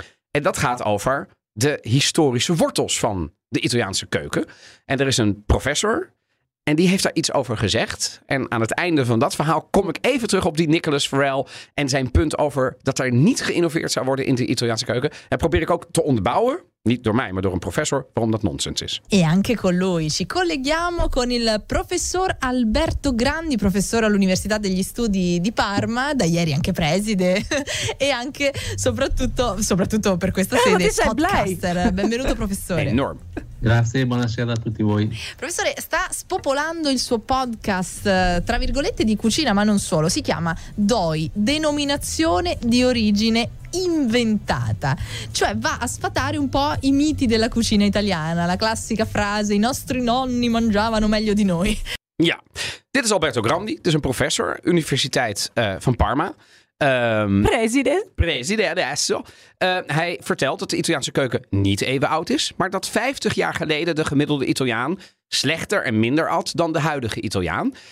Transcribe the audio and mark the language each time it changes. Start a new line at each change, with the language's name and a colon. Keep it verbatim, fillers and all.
Dutch: En dat gaat over de historische wortels van de Italiaanse keuken. En er is een professor en die heeft daar iets over gezegd. En aan het einde van dat verhaal kom ik even terug op die Nicolas Farrell en zijn punt over dat er niet geïnnoveerd zou worden in de Italiaanse keuken. En probeer ik ook te onderbouwen, niet door mij, maar door een professor, waarom dat nonsens is.
Italian: E anche con lui ci colleghiamo con il professor Alberto Grandi, professore all'Università degli Studi di Parma, da ieri anche preside e anche soprattutto soprattutto per questa Eh, ma sede te sei podcaster. Benvenuto professore.
Dutch: Enorm.
Italian: Grazie, buonasera a tutti voi. Professore, sta spopolando il suo podcast, eh, tra virgolette, di cucina, ma non solo. Si chiama D O I, denominazione di origine inventata. Cioè va a sfatare un po' i miti della cucina italiana, la classica frase, i nostri nonni mangiavano meglio di noi.
Dutch: Ja, dit is Alberto Grandi. Dit is een professor, Universiteit eh, van Parma. Ehm President.
Italian: Presidente adesso.
Dutch: Eh, hij vertelt dat de Italiaanse keuken niet even oud is, maar dat vijftig jaar geleden de gemiddelde Italiaan slechter en minder at dan de huidige Italiaan.